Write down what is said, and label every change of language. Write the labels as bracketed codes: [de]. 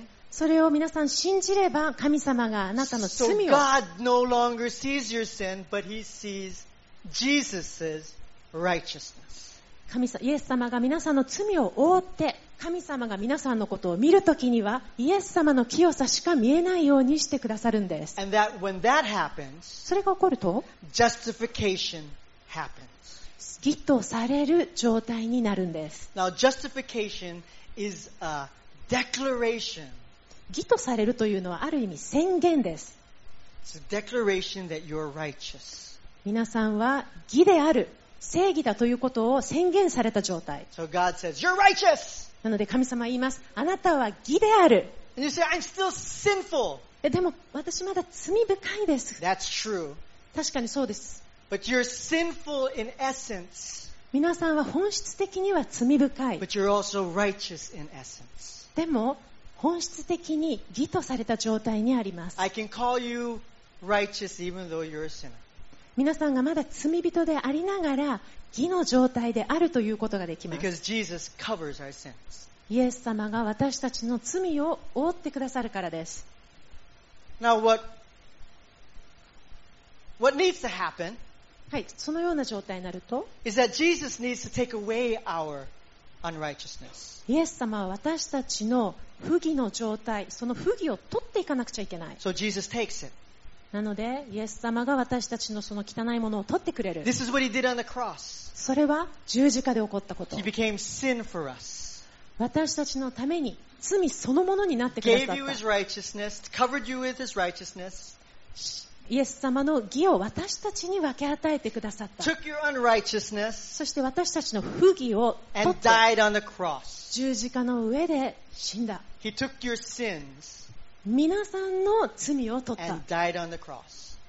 [ja] それを皆さん信じれば、神様があなたの罪を、 [en] God no longer sees your sin, but he sees Jesus's righteousness. [ja] 神様、イエス様が皆さんの罪を覆って、神様が皆さんのことを見るときにはイエス様の清さしか見えないようにしてくださるんです。 [en] And that when that happens, [ja] それが起こると [en] justification happens. [ja] 義とされる状態になるんです。 [en] Now, justification is a declaration. [ja] 義とされるというのはある意味宣言です。 [en] It's a declaration that you're righteous. [ja] 皆さんは義である、正義だということを宣言された状態。 [en] So God says, you're righteous! [ja] なので神様は言います。あなたは義である。 [en] And you say, I'm still sinful. [ja] でも私まだ罪深いです。 [en] That's true. [ja] 確かにそうです。 [en] But you're sinful in essence. [ja] 皆さんは本質的には罪深い。 [en] But you're also righteous in essence. [ja] でも本質的に義とされた状態にあります。 [en] I can call you righteous even though you're a sinner. [ja] 皆さんがまだ罪人でありながら義の状態であるということができます。 [en] Because Jesus covers our sins. [ja] イエス様が私たちの罪を覆ってくださるからです。 [en] Now what needs to happen、 [ja] はい、そのような状態になると [en] is that Jesus needs to take away our unrighteousness. [ja] イエス様は私たちの不義の状態、その不義を取っていかなくちゃいけない。 [en] So Jesus takes it. [ja] なのでイエス様が私たちのその汚いものを取ってくれる。 [en] This is what he did on the cross. [ja] それは十字架で起こったこと。 [en] He became sin for us. [ja] 私たちのために罪そのものになってくださった。 [en] Gave you his righteousness, covered you with his righteousness. [ja] イエス様の義を私たちに分け与えてくださった。 [en] Took your unrighteousness. [ja] そして私たちの不義を取って [en] And died on the cross. [ja] 十字架の上で死んだ。 [en] He took your sins. [ja] 皆さんの罪を取った。 [en] And died on the cross.